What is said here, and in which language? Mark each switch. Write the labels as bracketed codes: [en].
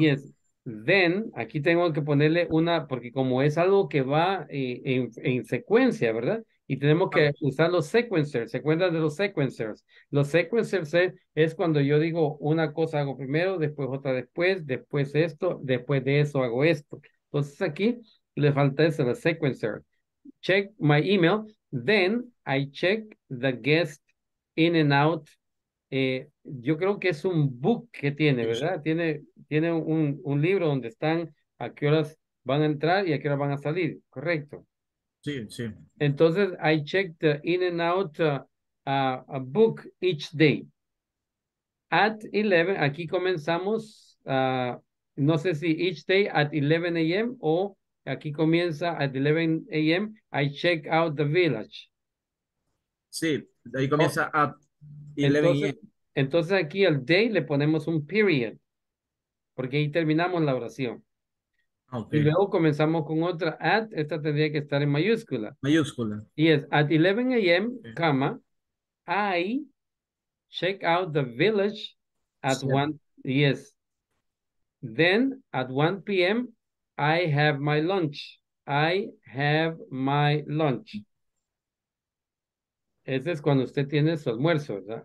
[en] Yes. Then, [es] aquí tengo que ponerle una, porque como es algo que va en secuencia, ¿verdad? Y tenemos que usar los sequencers. ¿Se acuerdan de los sequencers? Los sequencers es cuando yo digo una cosa hago primero, después otra después esto, después de eso hago esto. Entonces aquí le falta eso, el sequencer. [en] Check my email. Then I check the guest in and out. [es] Yo creo que es un book que tiene, ¿verdad? Tiene un libro donde están a qué horas van a entrar y a qué horas van a salir, ¿correcto? Sí, sí. Entonces, [en] I checked the in and out a book each day. At 11, [es] aquí comenzamos, no sé si [en] each day at 11 a.m. [es] o aquí comienza [en] at 11 a.m. I check out the village. [es] Sí, ahí comienza [en] at 11 [es] a.m. Entonces, aquí al day le ponemos un period, porque ahí terminamos la oración. Okay. Y luego comenzamos con otra, at, esta tendría que estar en mayúscula. Mayúscula. [en] Yes, at 11 a.m., okay. Comma, I check out the village at [es] sí. [en] 1, yes. Then, at 1 p.m., I have my lunch. I have my lunch. [es] Ese es cuando usted tiene su almuerzo, ¿verdad?